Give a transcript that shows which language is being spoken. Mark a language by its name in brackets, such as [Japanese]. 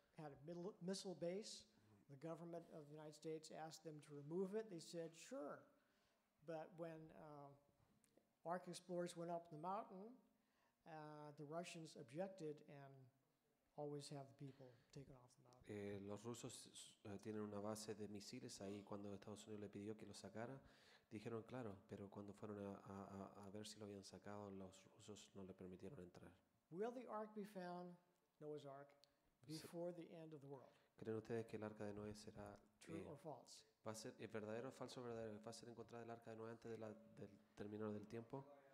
[English] had a missile base. The government of the United States asked them to remove it. They said, sure. But when ARC explorers went up the mountain, the Russians objected and always have the people taken off the mountain. [Spanish] Los rusos tienen una base de misiles ahí. Cuando Estados Unidos le pidió que lo sacara, dijeron, claro, pero cuando fueron a ver si lo habían sacado, los rusos no le permitieron entrar. [English] Will the ark be found, Noah's ark, before the end of the world? [Spanish] ¿Creen ustedes que el arca de Noé será [English] true or false? [Spanish] ¿Va a ser verdadero o falso? ¿Verdadero? ¿Va a ser encontrado el arca de Noé antes del término del tiempo?